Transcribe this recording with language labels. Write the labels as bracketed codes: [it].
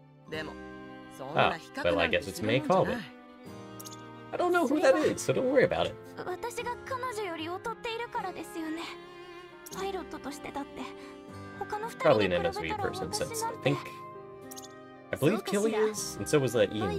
[ja] でも、そんな比較なんて知ってるんじゃない? [en] I don't know who that is, so don't worry about it. [ja] 私が彼女より劣っているからですよね。パイロットとしてだって、他の2人に比べたら… [en] Probably an MSV person, since I think… I believe Killy is, and so was that Ian dude.